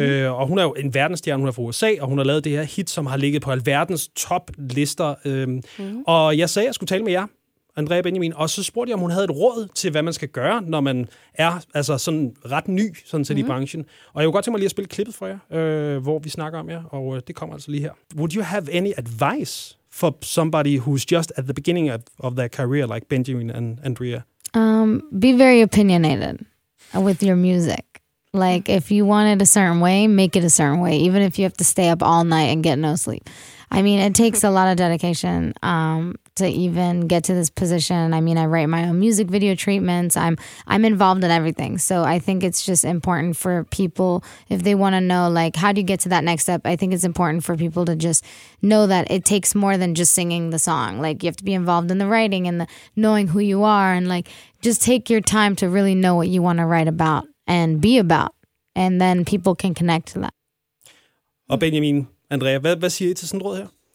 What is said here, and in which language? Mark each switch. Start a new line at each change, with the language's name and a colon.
Danish: Og hun er jo en verdensstjerne, hun er fra USA, og hun har lavet det her hit, som har ligget på alverdens toplister. Og jeg sagde, at jeg skulle tale med jer, Andrea Benjamin, og så spurgte jeg, om hun havde et råd til, hvad man skal gøre, når man er altså sådan ret ny sådan set i branchen. Og jeg vil godt tænke mig lige at spille klippet for jer, hvor vi snakker om jer, og det kommer altså lige her.
English: Would you have any advice for somebody who's just at the beginning of their career, like Benjamin and Andrea? Be very opinionated with your music. Like, if you want it a certain way, make it a certain way, even if you have to stay up all night and get no sleep. I mean, it takes a lot of dedication to even get to this position. I mean, I write my own music video treatments. I'm involved in everything. So I think it's just important for people, if they want to know, like, how do you get to that next step? I think it's important for people to just know that it takes more than just singing the song. Like, you have to be involved in the writing and the knowing who you are. And, like, just take your time to really know what you want to write about and be about. And then people can connect to that.
Danish: Og Benjamin, Andrea, hvad siger I til sådan et råd her?